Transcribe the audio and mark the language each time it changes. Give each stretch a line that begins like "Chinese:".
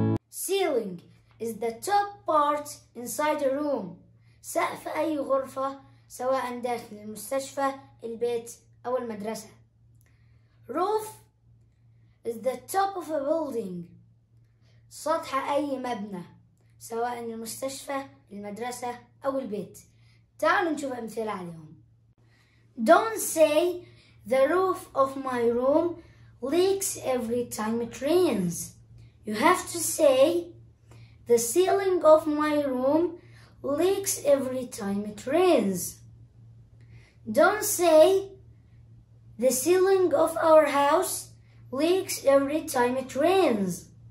English: Ceiling is the top part inside a room.
Arabic: سقف أي غرفة سواء داخل المستشفى، البيت أو المدرسة.
English: Roof is the top of a building.
Arabic: سطح أي مبنى سواء المستشفى، المدرسة أو البيت. تعالوا نشوف أمثلة عليهم.
English: Don't say the roof of my room leaks every time it rains. You have to say the ceiling of my room leaks every time it rains. Don't say the ceiling of our house leaks every time it rains.